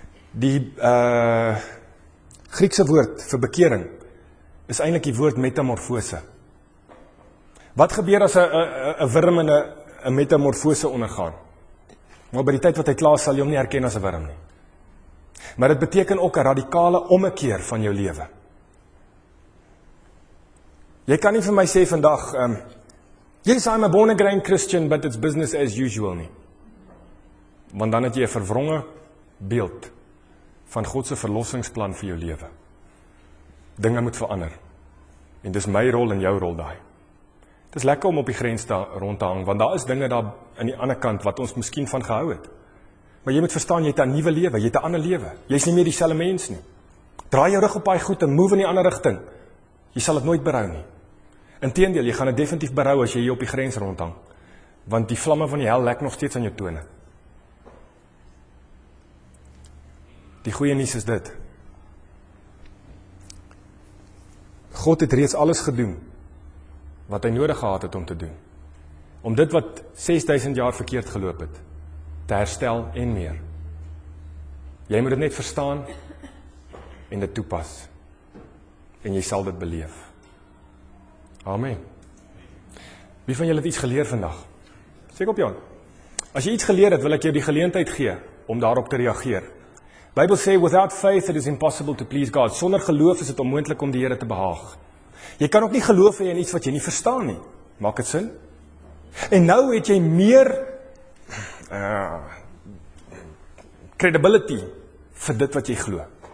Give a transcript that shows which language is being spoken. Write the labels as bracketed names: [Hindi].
[Afrikaans] Die Griekse woord vir bekering is eintlik die woord metamorfose. Wat gebeur as 'n wurm in 'n metamorfose ondergaan? Maar by die tyd wat hy klaar sal jy hom nie herken as 'n wurm nie. Maar dit beteken ook 'n radikale ommekeer van jou lewe. Jy kan nie vir my sê vandag, [English] yes, I'm a born again Christian, but it's business as usual [Afrikaans] nie. Want dan het jy 'n verwronge beeld van God se verlossingsplan vir jou lewe. Dinge moet verander. En dis my rol en jou rol daai. Dis lekker om op die grens daar rond te hang, want daar is dinge daar aan die ander kant wat ons miskien van gehou het. Maar jy moet verstaan, jy het 'n nuwe lewe, jy het 'n ander lewe. Jy is nie meer dieselfde mens nie. Draai jou rug op baie goed en move in die ander rigting. Jy sal dit nooit berou nie. Inteendeel, jy gaan dit definitief berou as jy hier op die grens rondhang. Want die vlamme van die hel lek nog steeds aan jou tone. Die goeie nuus is dit. God het reeds alles gedoen wat hy nodig gehad het om te doen. Om dit wat 6000 jaar verkeerd geloop het, te herstel en meer. Jy moet dit net verstaan en dit toepas. En jy sal dit beleef. Amen. Wie van julle het iets geleer vandag? Seker op jou. As jy iets geleer het, wil ek jou die geleentheid gee om daarop te reageer. Bybel sê, [English] without faith it is impossible to please God. [Afrikaans] Sonder geloof is dit onmoontlik om die Here te behaag. Jy kan ook nie geloof hê in iets wat jy nie verstaan nie. Maak dit sin? En nou het jy meer credibility vir dit wat jy glo.